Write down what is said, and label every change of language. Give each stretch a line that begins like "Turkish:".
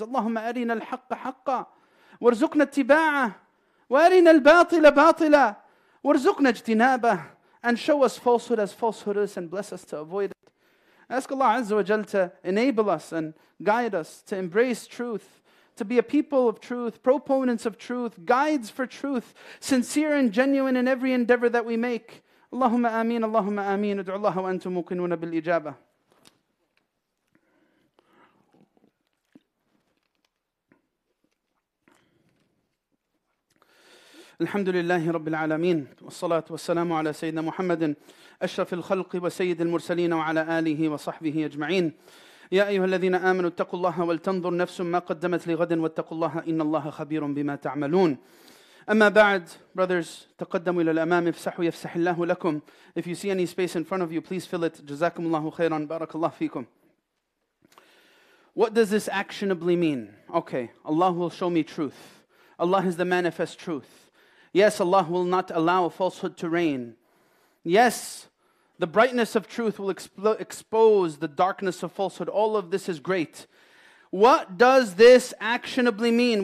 Arabic: اللهم أرنا الحق حقا وارزقنا اتباعه وأرنا الباطل باطلا وارزقنا اجتنابه
English: and show us falsehood as falsehood is and bless us to avoid it. Ask Allah Azza wa Jal to enable us and guide us to embrace truth, to be a people of truth, proponents of truth, guides for truth, sincere and genuine in every endeavor that we make.
Arabic: اللهم آمين اللهم آمين ادعوا الله وأنتم موقنون بالإجابة. الحمد لله رب العالمين والصلاة والسلام على سيدنا محمد أشرف الخلق وسيد المرسلين وعلى آله وصحبه أجمعين يا أيها الذين آمنوا اتقوا الله ولتنظر نفس ما قدمت لغد واتقوا الله إن الله خبير بما تعملون أما بعد
English: brothers
Arabic: تقدموا إلى الأمام افسحوا يفسح الله لكم
English: if you see any space in front of you please fill it
Arabic: جزاكم الله خيرا بارك الله فيكم
English: What does this actionably mean? Okay, Allah will show me truth. Allah is the manifest truth. Yes, Allah will not allow falsehood to reign. Yes, the brightness of truth will expose the darkness of falsehood. All of this is great. What does this actionably mean?